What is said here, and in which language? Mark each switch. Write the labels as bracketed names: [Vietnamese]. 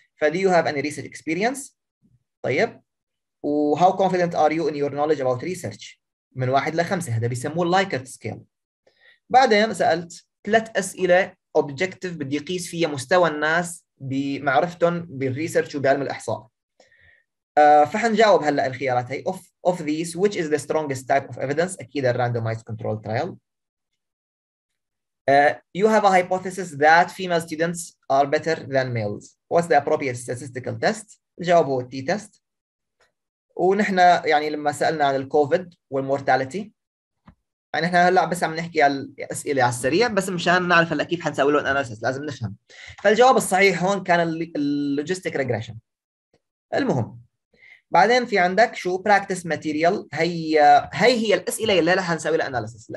[English] فدو you have any research experience? طيب، وهاو confident are you in your knowledge about research? [Arabic] من 1 لـ 5، هذا بيسموه [English] Likert scale. [Arabic] بعدين سالت 3 اسئله اوبجكتيف بدي اقيس فيها مستوى الناس بمعرفتهم بالريسيرش وبعلم الاحصاء. فحنجاوب هلا الخيارات هي. [English] Of these, which is the strongest type of evidence? [Arabic] أكيد الـ [English] randomized control trial. You have a hypothesis that female students are better than males. What's the appropriate statistical test? [Arabic] الجواب هو T-test. ونحن يعني لما سألنا عن الكوفيد والمورتاليتي، يعني احنا هلا بس عم نحكي على الأسئلة على السريع بس مشان نعرف هلا كيف حنسوي له الأناليسيس، لازم نفهم. فالجواب الصحيح هون كان اللوجيستيك ريجريشن. المهم بعدين في عندك شو براكتس ماتيريال، هي الاسئله اللي رح نسوي لها اناليسس.